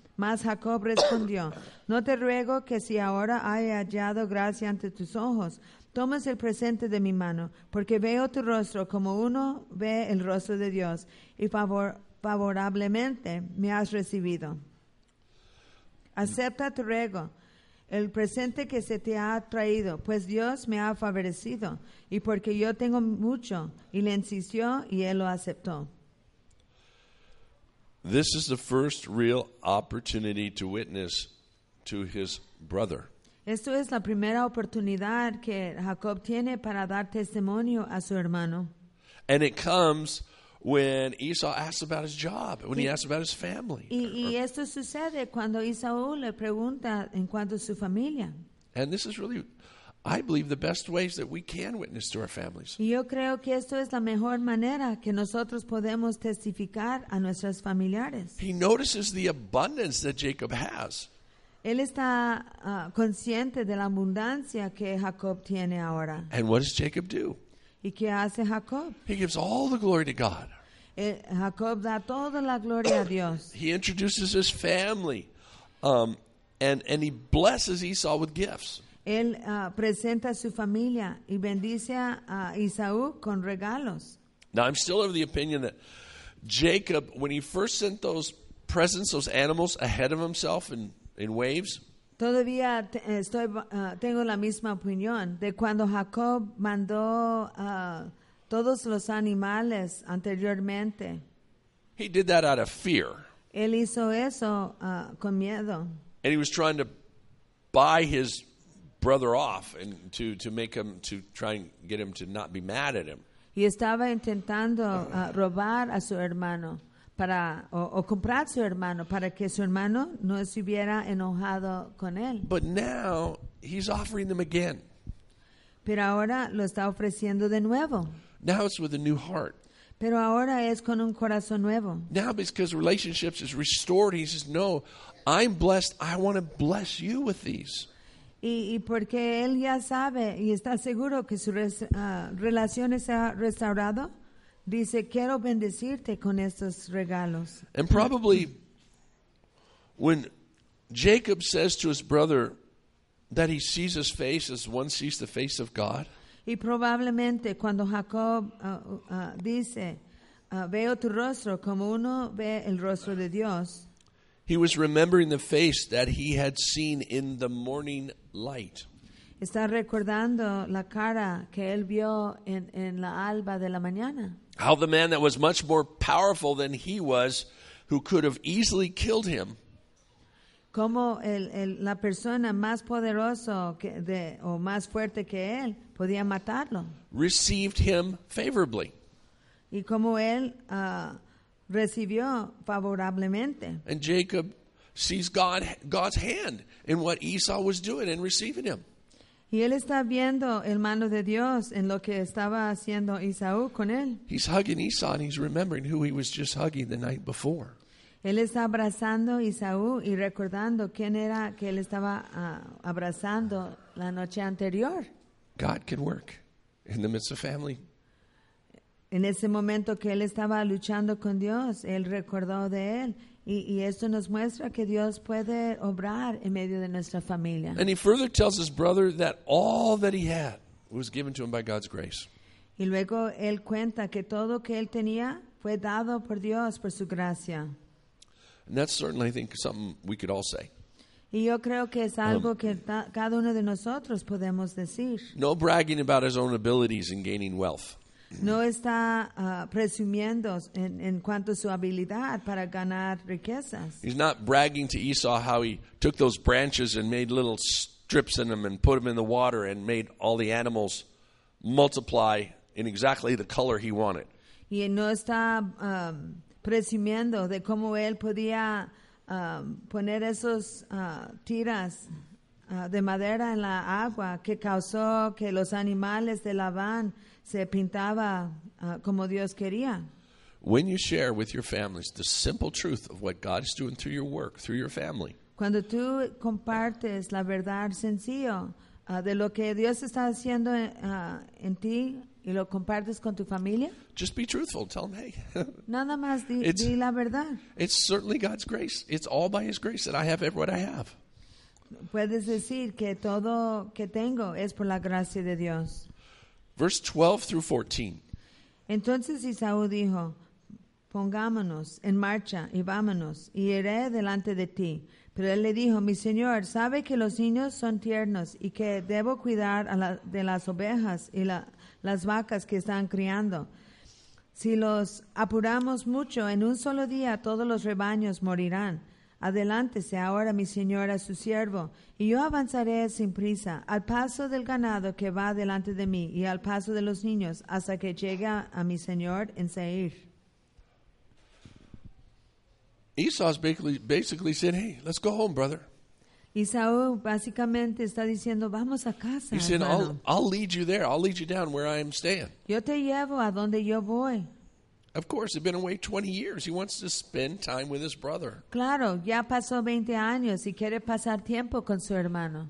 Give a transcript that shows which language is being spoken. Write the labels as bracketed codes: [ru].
[es] Mas Jacob respondió, no te ruego que si ahora haya hallado gracia ante tus ojos, tomes el presente de mi mano, porque veo tu rostro como uno ve el rostro de Dios, y favorablemente me has recibido. Acepta tu ruego, el presente que se te ha traído, pues Dios me ha favorecido, y porque yo tengo mucho. Y le insistió y él lo aceptó. [en] This is the first real opportunity to witness to his brother. [es] Esto es la primera oportunidad que Jacob tiene para dar testimonio a su hermano. [en] And it comes when Esau asks about his job, when he asks about his family. [es] Y esto sucede cuando Esaú le pregunta en cuanto a su familia. [en] And this is really, I believe, the best ways that we can witness to our families. [es] Y yo creo que esto es la mejor manera que nosotros podemos testificar a nuestros familiares. [en] He notices the abundance that Jacob has. [es] Él está consciente de la abundancia que Jacob tiene ahora. [en] And what does Jacob do? [es] ¿Y qué hace Jacob? [en] He gives all the glory to God. [es] Jacob da toda la gloria a Dios. [en] He introduces his family, and he blesses Esau with gifts. [es] Él presenta a su familia y bendice a Esaú con regalos. [en] Now, I'm still of the opinion that Jacob, when he first sent those presents, those animals, ahead of himself in waves. [es] Todavía tengo la misma opinión de cuando Jacob mandó todos los animales anteriormente. [en] He did that out of fear. [es] Él hizo eso con miedo. [en] And he was trying to buy his brother off and to make him, to try and get him to not be mad at him. [es] Y estaba intentando robar a su hermano para o comprar su hermano para que su hermano no estuviera enojado con él. [en] But now he's offering them again. [es] Pero ahora lo está ofreciendo de nuevo. [en] Now it's with a new heart. [es] Pero ahora es con un corazón nuevo. [en] Now because relationships is restored, he says, "No, I'm blessed. I want to bless you with these." [es] Y porque él ya sabe y está seguro que su relación está restaurado, dice, quiero bendecirte con estos regalos. [en] And probably when Jacob says to his brother that he sees his face as one sees the face of God. [es] Y probablemente cuando Jacob dice, veo tu rostro como uno ve el rostro de Dios. [en] He was remembering the face that he had seen in the morning light. [es] Está recordando la cara que él vio en la alba de la mañana. [en] How the man that was much more powerful than he was, who could have easily killed him. [es] Como la persona más poderoso que o más fuerte que él podía matarlo. [en] Received him favorably. [es] Y como él recibió favorablemente. [en] And Jacob sees God's hand in what Esau was doing and receiving him. [es] Y él está viendo el mano de Dios en lo que estaba haciendo Esaú con él. [en] He's hugging Esau and he's remembering who he was just hugging the night before. [es] Él está abrazando a Esaú y recordando quién era que él estaba abrazando la noche anterior. [en] God can work in the midst of family. [es] En ese momento que él estaba luchando con Dios, él recordó de él. Y esto nos muestra que Dios puede obrar en medio de nuestra familia. [en] And he further tells his brother that all that he had was given to him by God's grace. [es] Y luego él cuenta que todo que él tenía fue dado por Dios por su gracia. [en] And that's certainly, I think, something we could all say. [es] Y yo creo que es algo que cada uno de nosotros podemos decir. [en] No bragging about his own abilities and gaining wealth. [es] No está presumiendo en cuanto a su habilidad para ganar riquezas. [en] He's not bragging to Esau how he took those branches and made little strips in them and put them in the water and made all the animals multiply in exactly the color he wanted. [es] Y no está presumiendo de cómo él podía poner esos tiras de madera en la agua que causó que los animales de Labán se pintaba como Dios quería. [en] When you share with your families the simple truth of what God is doing through your work, through your family. [es] Cuando tú compartes la verdad sencillo de lo que Dios está haciendo en ti y lo compartes con tu familia. [en] Just be truthful. Tell them, hey. [es] Nada más di la verdad. [en] It's certainly God's grace. It's all by His grace that I have what I have. [es] Puedes decir que todo que tengo es por la gracia de Dios. [en] Verse 12 through 14. [es] Entonces Esaú dijo, pongámonos en marcha y vámonos, y iré delante de ti. Pero él le dijo, mi señor, sabe que los niños son tiernos y que debo cuidar de las ovejas y las vacas que están criando. Si los apuramos mucho, en un solo día todos los rebaños morirán. Adelántese ahora, mi señor, a su siervo, y yo avanzaré sin prisa, al paso del ganado que va delante de mí, y al paso de los niños, hasta que llegue a mi señor en Seir. [en] Esau's basically said, hey, let's go home, brother. [es] Esau básicamente está diciendo, vamos a casa. [en] He said, I'll lead you there, I'll lead you down where I am staying. [es] Yo te llevo a donde yo voy. [en] Of course, he'd been away 20 years. He wants to spend time with his brother. [es] Claro, ya pasó 20 años y quiere pasar tiempo con su hermano.